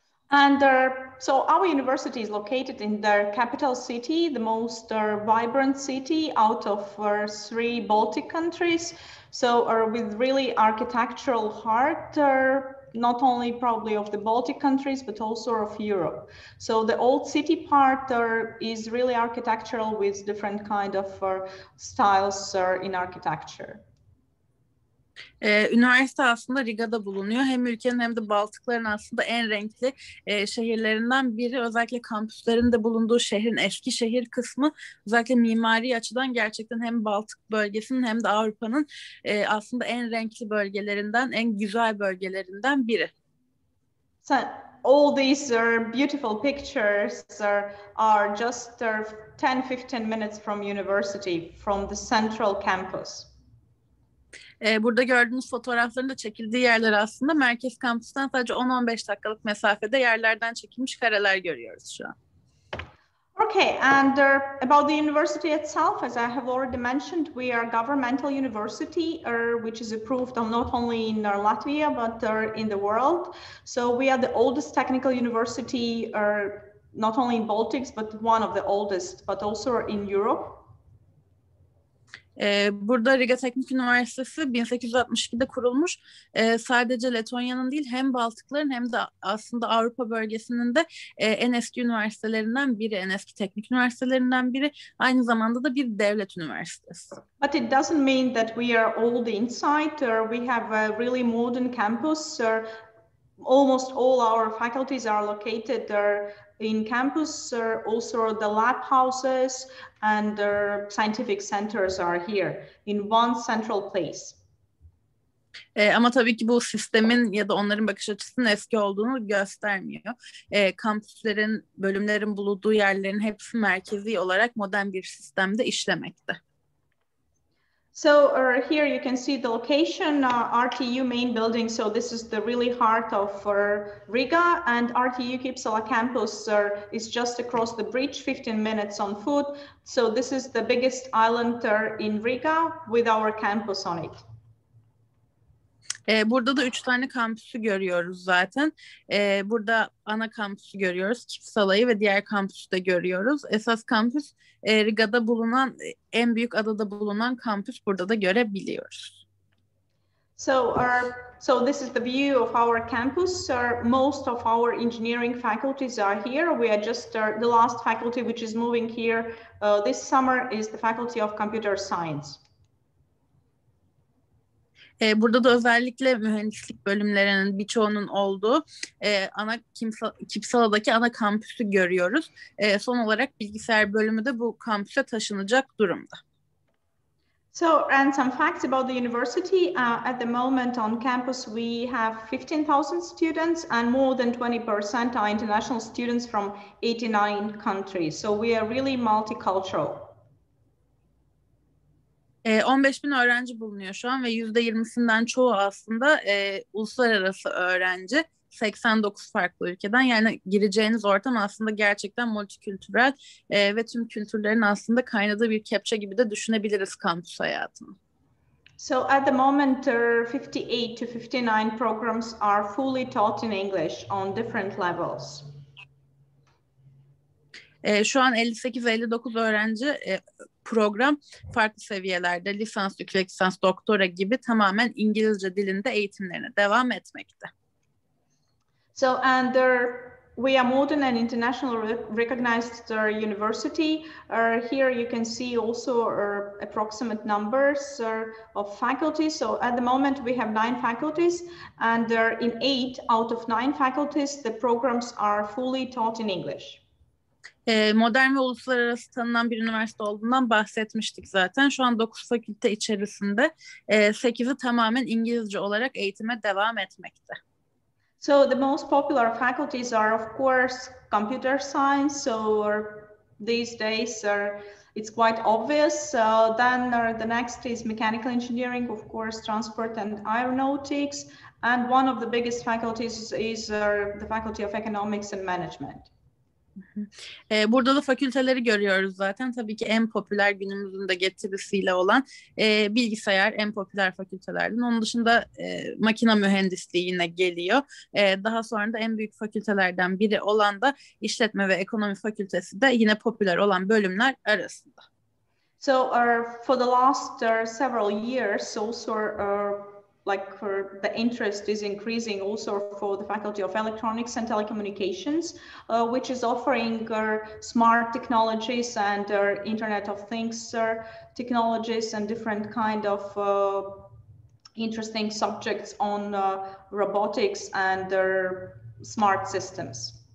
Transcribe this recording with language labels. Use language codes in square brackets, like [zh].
[en] And so our university is located in the capital city, the most vibrant city out of three Baltic countries. So with really architectural heart not only probably of the Baltic countries, but also of Europe. So the old city part is really architectural with different kind of styles in architecture. [tr] Üniversite aslında Riga'da bulunuyor. Hem ülkenin hem de Baltıkların aslında en renkli şehirlerinden biri. Özellikle kampüslerinde bulunduğu şehrin eski şehir kısmı özellikle mimari açıdan gerçekten hem Baltık bölgesinin hem de Avrupa'nın aslında en renkli bölgelerinden, en güzel bölgelerinden biri. [en] All these beautiful pictures are just 10-15 minutes from university, from the central campus. [tr] Burada gördüğünüz fotoğrafların da çekildiği yerler aslında merkez kampüsten sadece 10-15 dakikalık mesafede yerlerden çekilmiş kareler görüyoruz şu an. [en] Okay, and about the university itself, as I have already mentioned, we are a governmental university, which is approved not only in Latvia, but in the world. So we are the oldest technical university, not only in Baltics, but one of the oldest, but also in Europe. [tr] Burada Riga Teknik Üniversitesi 1862'de kurulmuş. Sadece Letonya'nın değil hem Baltıkların hem de aslında Avrupa bölgesinin de en eski üniversitelerinden biri, en eski teknik üniversitelerinden biri. Aynı zamanda da bir devlet üniversitesi. [en] But it doesn't mean that we are old inside or we have a really modern campus. Or almost all our faculties are located there. In campus are also the lab houses and the scientific centers are here in one central place. [tr] Ama tabii ki bu sistemin ya da onların bakış açısının eski olduğunu göstermiyor. Kampüslerin, bölümlerin bulunduğu yerlerin hepsi merkezi olarak modern bir sistemde işlemekte. [en] So here you can see the location, RTU main building. So this is the really heart of Riga and RTU Kipsala campus is just across the bridge, 15 minutes on foot. So this is the biggest island in Riga with our campus on it. [tr] Burada da üç tane kampüsü görüyoruz zaten. Burada ana kampüsü görüyoruz, Çiftsalayı ve diğer kampüsü de görüyoruz. Esas kampüs Riga'da bulunan, en büyük adada bulunan kampüs, burada da görebiliyoruz. [en] So this is the view of our campus. Most of our engineering faculties are here. We are just the last faculty which is moving here this summer is the Faculty of Computer Science. [tr] Burada da özellikle mühendislik bölümlerinin birçoğunun olduğu ana Kimsala'daki ana kampüsü görüyoruz. Son olarak bilgisayar bölümü de bu kampüse taşınacak durumda. [en] So, and some facts about the university. At the moment on campus, we have 15,000 students and more than 20% are international students from 89 countries. So we are really multicultural. [tr] 15.000 öğrenci bulunuyor şu an ve %20'sinden çoğu aslında uluslararası öğrenci, 89 farklı ülkeden. Yani gireceğiniz ortam aslında gerçekten multikültürel ve tüm kültürlerin aslında kaynadığı bir kepçe gibi de düşünebiliriz kampüs hayatını. [en] So at the moment 58 to 59 programs are fully taught in English on different levels. [tr] Şu an 58-59 öğrenci program farklı seviyelerde, lisans, yüksek lisans, doktora gibi tamamen İngilizce dilinde eğitimlerine devam etmekte. [en] So and there we are modern and international recognized university. Here you can see also approximate numbers of faculties. So at the moment we have 9 faculties and there in 8 out of 9 faculties the programs are fully taught in English. [tr] Modern ve uluslararası tanınan bir üniversite olduğundan bahsetmiştik zaten. Şu an 9 fakülte içerisinde 8'i tamamen İngilizce olarak eğitime devam etmekte. [en] So the most popular faculties are of course computer science. So these days it's quite obvious. Then the next is mechanical engineering, of course transport and aeronautics. And one of the biggest faculties is the Faculty of Economics and Management. [tr] Burada da fakülteleri görüyoruz zaten. Tabii ki en popüler günümüzün de getirisiyle olan bilgisayar en popüler fakültelerden. Onun dışında makine mühendisliği yine geliyor. Daha sonra da en büyük fakültelerden biri olan da işletme ve ekonomi fakültesi de yine popüler olan bölümler arasında. [en] So for the last several years also like for the interest is increasing also for the Faculty of Electronics and Telecommunications, which is offering smart technologies and Internet of Things technologies and different kind of interesting subjects on robotics and smart systems.